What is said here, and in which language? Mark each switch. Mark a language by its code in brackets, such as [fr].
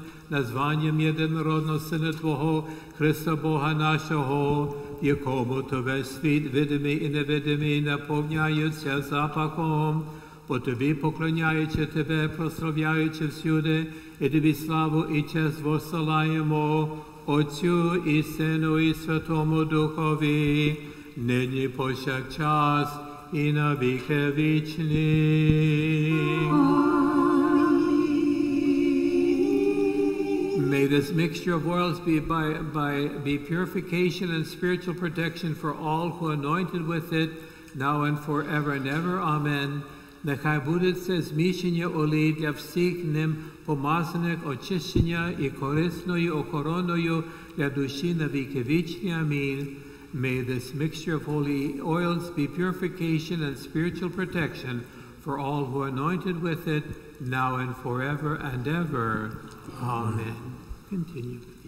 [uk] названням єдинородного Сина Твого, Христа Бога нашого, якому Тобе світ видимий і невидимий наповняється запахом, бо Тобі поклоняючи Тебе, прослав'яючи всюди, і Тобі славу і честь воссилаємо, Отцю і Сину і Святому Духові, нині пошак час і на віки вічні. [en] May this mixture of oils be by purification and spiritual protection for all who are anointed with it, now and forever and ever. Amen. [uk] Нехай буде це змішання олій для всіх ним помазаних очищення і корисною охороною для душі на віки вічні. Амінь. [en] May this mixture of holy oils be purification and spiritual protection for all who are anointed with it, now and forever and ever. Amen. Continue.